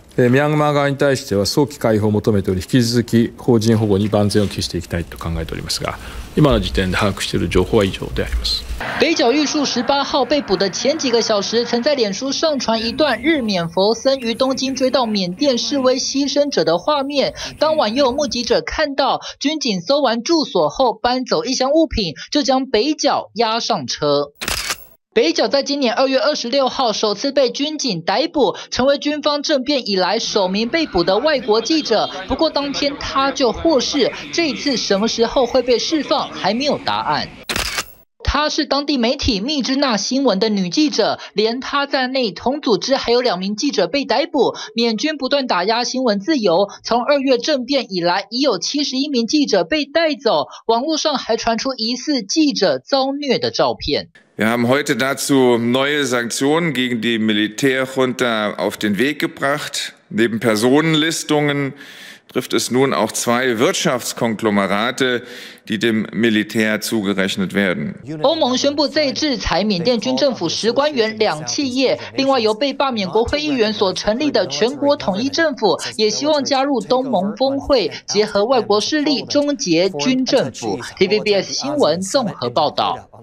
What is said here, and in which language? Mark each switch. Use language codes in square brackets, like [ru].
[ja] ミャンマー側に対しては早期解放を求めており、引き続き邦人保護に万全を期していきたいと考えておりますが、今の時点で把握している情報は以上であります。 [zh] 北角裕树18号被捕的前几个小时，曾在脸书上传一段日缅佛僧于东京追到缅甸示威牺牲者的画面。当晚又有目击者看到军警搜完住所后搬走一箱物品，就将北角押上车。北角在今年2月26号首次被军警逮捕，成为军方政变以来首名被捕的外国记者。不过当天他就获释，这一次什么时候会被释放还没有答案。她是当地媒体密支那新闻的女记者，连她在内同组织还有2名记者被逮捕。缅军不断打压新闻自由，从二月政变以来已有71名记者被带走，网络上还传出疑似记者遭虐的照片。 [de] Wir haben heute dazu neue Sanktionen gegen die Militärjunta auf den Weg gebracht. Neben Personenlistungen trifft es nun auch 2 Wirtschaftskonglomerate, die dem Militär zugerechnet werden. [zh] 欧盟宣布再制裁缅甸军政府10官员2企业，另外由被罢免国会议员所成立的全国统一政府也希望加入东盟峰会，结合外国势力终结军政府。 TVBS 新闻综合报道。